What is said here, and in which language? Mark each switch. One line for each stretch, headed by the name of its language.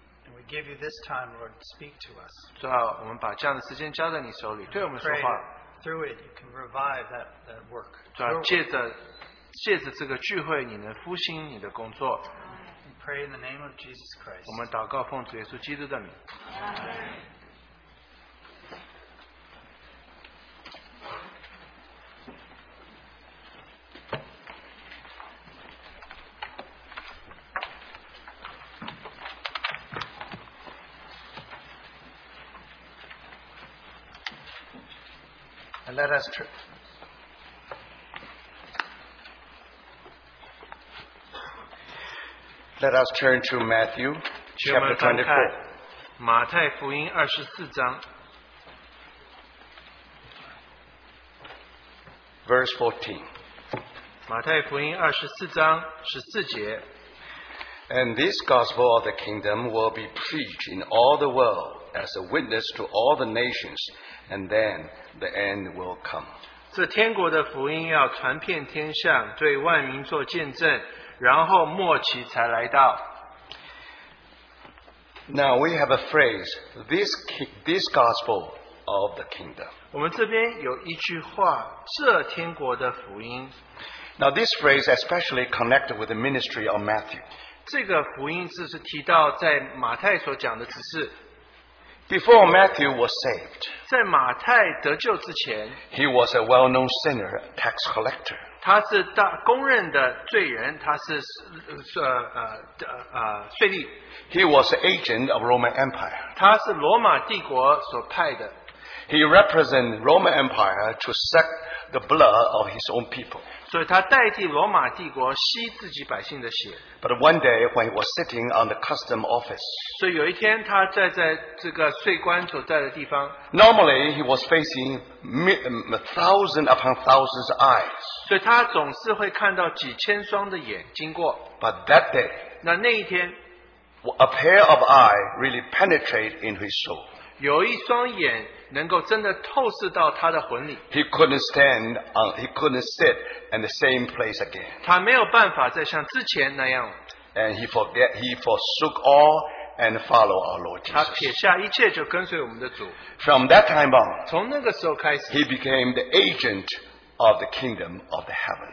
English: And we give you this time, Lord, to speak to us.
Chinese: 主啊，我们把这样的时间交在你手里，对我们说话。
English: Through it, you can revive that work.
Chinese: 主啊，借着这个聚会，你能复兴你的工作。
English: We pray in the name of Jesus Christ.
Chinese: 我们祷告奉主耶稣基督的名。
English: Let us trip. Let us turn to Matthew chapter 24.
Chinese: 马太福音二十四章
English: verse 14.
Chinese: 马太福音二十四章十四节
English: And this gospel of the kingdom will be preached in all the world as a witness to all the nations, and then the end will come.
Chinese: 这天国的福音要传遍天下，对万民做见证，然后末期才来到。
English: Now we have a phrase, this gospel of the kingdom.
Chinese: 我们这边有一句话，这天国的福音。
English: Now this phrase especially connected with the ministry of Matthew.
Chinese: 这个福音是提到在马太所讲的，只是
English: Before Matthew was saved,
Chinese: 在马太得救之前,
English: he was a well-known sinner, tax collector.
Chinese: 他是大公认的罪人，他是税吏。
English: He was an agent of Roman Empire.
Chinese: 他是罗马帝国所派的。
English: He represented Roman Empire to set the blood of his own people.
Chinese: 所以他代替罗马帝国吸自己百姓的血。
English: But one day when he was sitting on the custom office,
Chinese: 所以有一天他站在这个税官所在的地方,
English: normally he was facing thousands upon thousands of eyes.
Chinese: 所以他总是会看到几千双的眼经过。
English: But that day,
Chinese: 那一天,
English: a pair of eyes really penetrated into his soul.
Chinese: 有一双眼,
English: he couldn't stand, he couldn't sit in the same place again.
Chinese: 他没有办法再像之前那样,
English: and he forsook all and followed our Lord Jesus.
Chinese: 他撇下一切就跟随我们的主,
English: from that time on,
Chinese: 从那个时候开始,
English: he became the agent of the kingdom of the heavens.